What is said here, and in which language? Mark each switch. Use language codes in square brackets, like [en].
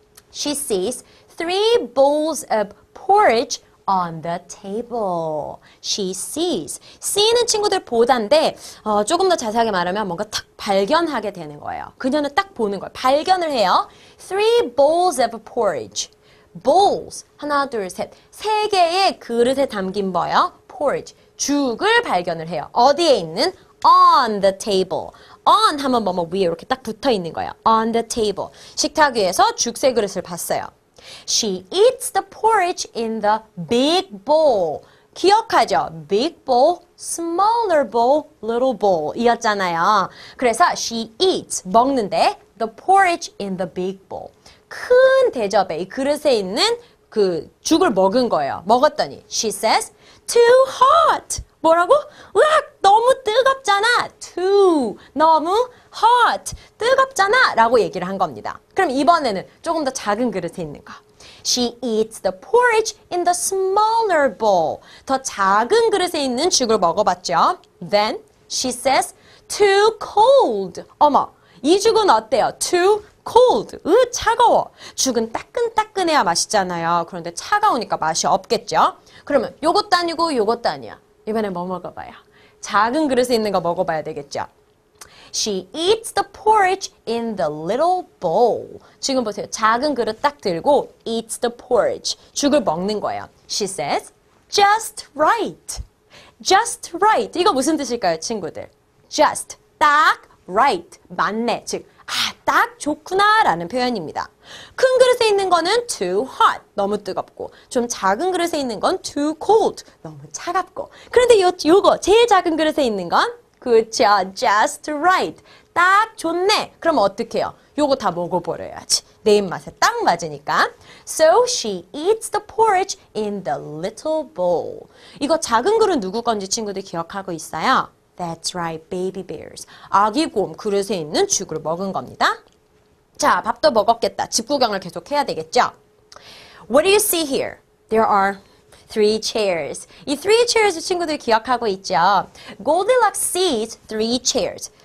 [en] She sees three bowls of porridge on the table. She sees. [ko] See는 친구들 보다인데 조금 더 자세하게 말하면 뭔가 탁 발견하게 되는 거예요. 그녀는 딱 보는 걸 발견을 해요. [en] Three bowls of porridge. Bowls. [ko] 하나, 둘, 셋. 세 개의 그릇에 담긴 뭐예요? Porridge. 죽을 발견을 해요. 어디에 있는? [en] On the table. [ko] On 하면 뭐뭐 위에 이렇게 딱 붙어 있는 거예요. [en] On the table. [ko] 식탁 위에서 죽 세 그릇을 봤어요. [en] She eats the porridge in the big bowl. [ko] 기억하죠? [en] Big bowl, smaller bowl, little bowl 이었잖아요. 그래서 she eats, 먹는데 the porridge in the big bowl. [ko] 큰 대접에, 이 그릇에 있는 그 죽을 먹은 거예요. [en] 먹었더니 she says, too hot. 뭐라고? [ko] 으악, 너무 뜨겁잖아. too, 너무 hot, 뜨겁잖아. 라고 얘기를 한 겁니다. 그럼 이번에는 조금 더 작은 그릇에 있는 거. [en] She eats the porridge in the smaller bowl. [ko] 더 작은 그릇에 있는 죽을 먹어봤죠. [en] Then she says, too cold. [ko] 어머, 이 죽은 어때요? [en] Too cold. [ko] 차가워. 죽은 따끈따끈해야 맛있잖아요. 그런데 차가우니까 맛이 없겠죠. 그러면 요것도 아니고 요것도 아니야. 이번에 뭐 먹어봐요? 작은 그릇에 있는 거 먹어봐야 되겠죠. [en] She eats the porridge in the little bowl. [ko] 지금 보세요. 작은 그릇 딱 들고 [en] eats the porridge. [ko] 죽을 먹는 거예요. [en] She says, just right. Just right. [ko] 이거 무슨 뜻일까요, 친구들? Just, 딱, right. 맞네. 즉, 딱 좋구나 라는 표현입니다. 큰 그릇에 있는 거는 too hot. 너무 뜨겁고. 좀 작은 그릇에 있는 건 too cold. 너무 차갑고. 그런데 요거 제일 작은 그릇에 있는 건 그쵸. [en] Just right. [ko] 딱 좋네. 그럼 어떡해요? 요거 다 먹어버려야지. 내 입맛에 딱 맞으니까. [en] So she eats the porridge in the little bowl. [ko] 이거 작은 그릇 누구 건지 친구들 기억하고 있어요? [en] That's right. Baby bears. [ko] 아기 곰 그릇에 있는 죽을 먹은 겁니다. 자, 밥도 먹었겠다. 집 구경을 계속 해야 되겠죠? [en] What do you see here? There are three chairs. 이 three chairs [ko] 친구들 기억하고 있죠? [en] Goldilocks sees three chairs.